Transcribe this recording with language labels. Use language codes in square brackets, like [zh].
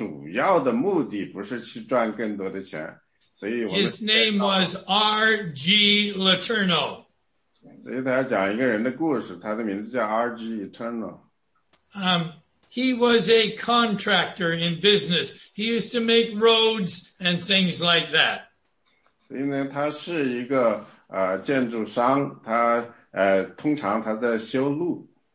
[zh] 所以呢，他说那个呢，啊，有些人说呢，啊，我要赚更多的钱，你能够赚，那是更好的。但是就说你的主要的目的不是去赚更多的钱。 [en] His name was R.G. Letourneau. [zh] 所以他讲一个人的故事，他的名字叫R.G. [en] Letourneau. He was a contractor in business. He used to make roads and things like that. [zh] 所以呢，他是一个建筑商，他通常他在修路。